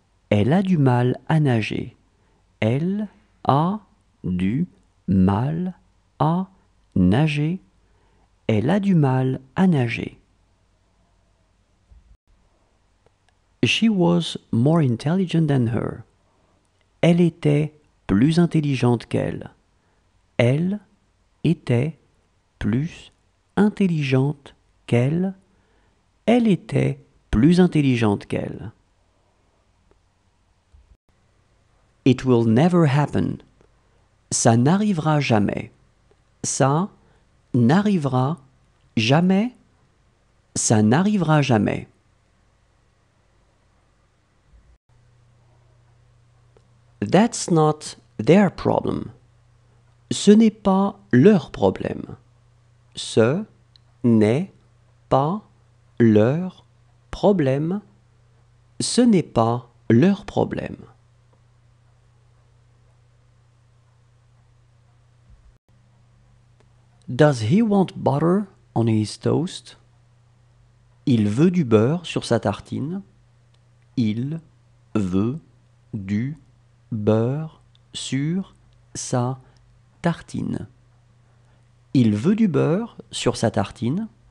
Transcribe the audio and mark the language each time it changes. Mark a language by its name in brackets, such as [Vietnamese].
[French] Elle a du mal à nager. Elle a du mal à nager. Elle a du mal à nager. [English] She was more intelligent than her. [French] Elle était plus intelligente qu'elle. Elle était plus intelligente qu'elle. Elle était plus intelligente qu'elle. [English] It will never happen. [French] Ça n'arrivera jamais. Ça n'arrivera jamais. Ça n'arrivera jamais. [English] That's not their problem. [French] Ce n'est pas leur problème. Ce n'est pas leur problème. Ce n'est pas leur problème. [English] Does he want butter on his toast? [French] Il veut du beurre sur sa tartine. Il veut du beurre sur sa tartine. Il veut du beurre sur sa tartine.